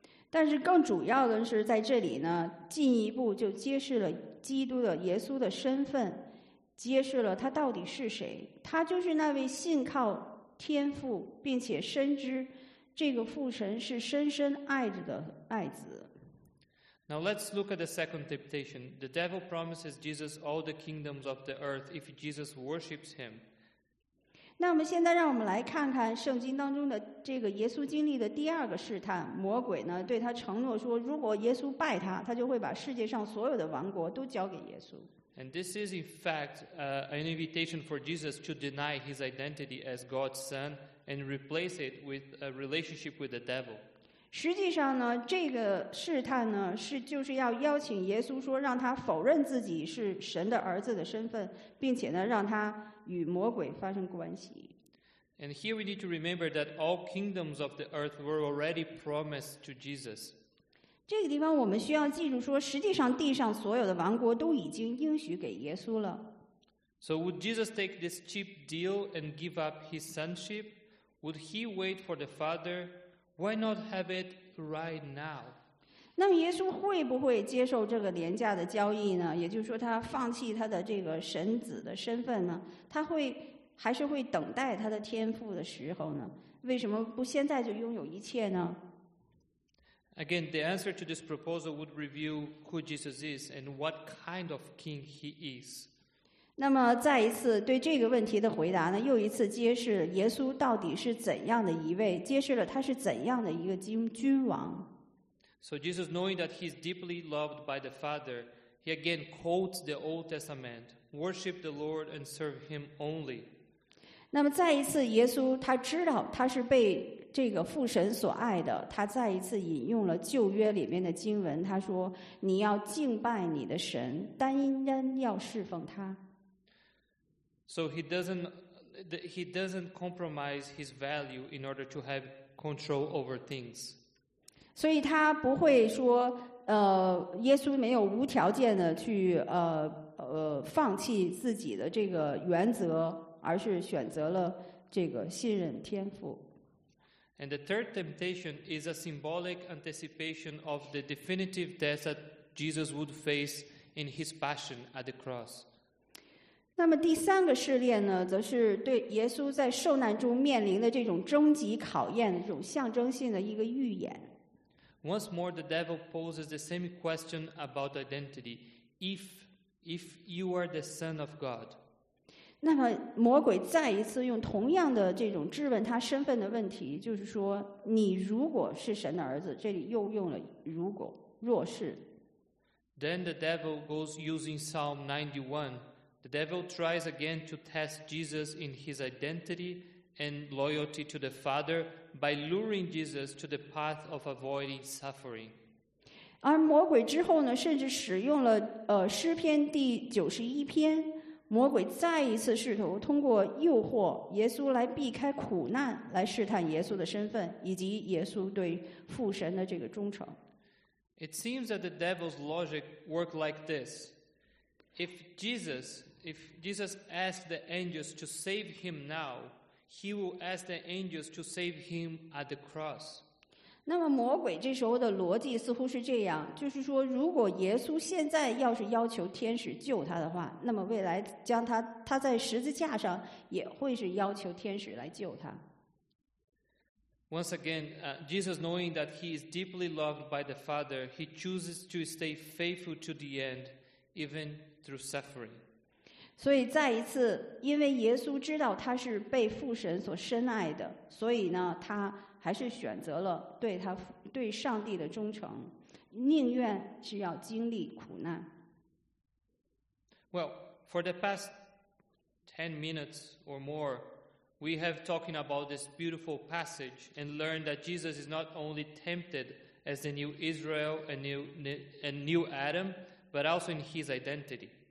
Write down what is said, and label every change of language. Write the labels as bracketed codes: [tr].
[zh] 但是更主要的是在这里呢，进一步就揭示了基督的耶稣的身份，揭示了他到底是谁。他就是那位信靠天父并且深知这个父神是深深爱着的爱子。 [en] Now let's look at the second temptation. The devil promises Jesus all the kingdoms of the earth if Jesus worships him. [zh] 那么现在让我们来看看圣经当中的这个耶稣经历的第二个试探。魔鬼呢对他承诺说，如果耶稣拜他，他就会把世界上所有的王国都交给耶稣。 [en] And this is, in fact, an invitation for Jesus to deny his identity as God's son and replace it with a relationship with the devil. [zh] 实际上呢，这个试探呢，是就是要邀请耶稣说，让他否认自己是神的儿子的身份，并且呢，让他与魔鬼发生关系。 [en] And here we need to remember that all kingdoms of the earth were already promised to Jesus. [zh] 这个地方我们需要记住说，实际上地上所有的王国都已经应许给耶稣了。 [en] So would Jesus take this cheap deal and give up his sonship? Would he wait for the Father? Why not have it right now? [zh] 那么耶稣会不会接受这个廉价的交易呢？也就是说，他放弃他的这个神子的身份呢？他会？还是会等待他的天父的时候呢？为什么不现在就拥有一切呢？ [en] Again, the answer to this proposal would reveal who Jesus is and what kind of king he is. [zh] 那么再一次对这个问题的回答呢，又一次揭示耶稣到底是怎样的一位，揭示了他是怎样的一个君王。 [en] So Jesus, knowing that he is deeply loved by the Father, he again quotes the Old Testament, worship the Lord and serve him only. [zh] 那么再一次耶稣他知道他是被这个父神所爱的，他再一次引用了旧约里面的经文，他说你要敬拜你的神，单单要侍奉他。 [en] So he doesn't compromise his value in order to have control over things. [zh] 所以他不会说耶稣没有无条件的去放弃自己的这个原则，而是选择了这个信任天父。 [en] And the third temptation is a symbolic anticipation of the definitive death that Jesus would face in his passion at the cross. [zh] 那么第三个试炼呢，则是对耶稣在受难中面临的这种终极考验的这种象征性的一个预言。 [en] Once more, the devil poses the same question about identity. If you are the Son of God, [zh] 那么魔鬼再一次用同样的这种质问他身份的问题，就是说你如果是神的儿子，这里又用了如果若是。 [en] Then the devil goes using Psalm 91. The devil tries again to test Jesus in his identity and loyalty to the Father by luring Jesus to the path of avoiding suffering. [zh] 而魔鬼之后呢，甚至使用了诗篇第九十一篇，魔鬼再一次试图通过诱惑耶稣来避开苦难，来试探耶稣的身份以及耶稣对父神的这个忠诚。 [en] It seems that the devil's logic worked like this. If Jesus asked the angels to save him now, he will ask the angels to save him at the cross. [zh] 那么魔鬼这时候的逻辑似乎是这样，就是说如果耶稣现在要是要求天使救他的话，那么未来将他在十字架上也会是要求天使来救他。 [en] Once again, Jesus, knowing that he is deeply loved by the Father, he chooses to stay faithful to the end, even through suffering. [zh] 所以再一次，因为耶稣知道他是被父神所深爱的，所以呢他还是选择了对上帝的忠诚，宁愿是要经历苦难。 [en] Well, for the past 10 minutes or more, we have talking about this beautiful passage and learned that Jesus is not only tempted as the new Israel, a new Adam, but also in his identity.